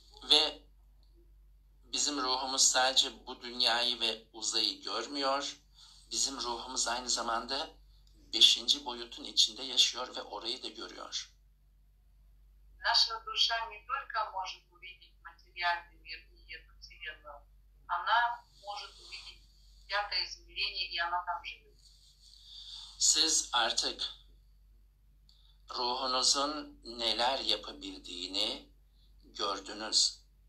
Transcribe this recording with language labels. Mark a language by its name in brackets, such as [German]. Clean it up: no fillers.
[Turkish] Ve bizim ruhumuz sadece bu dünyayı ve uzayı görmüyor. Bizim ruhumuz aynı zamanda 5. boyutun içinde yaşıyor ve orayı da görüyor. [Russian] Наша душа не только может увидеть материальный мир и эту вселенную. Она может увидеть пятое измерение и она там живет. [Turkish] Siz artık ruhunuzun neler yapabildiğini gördünüz.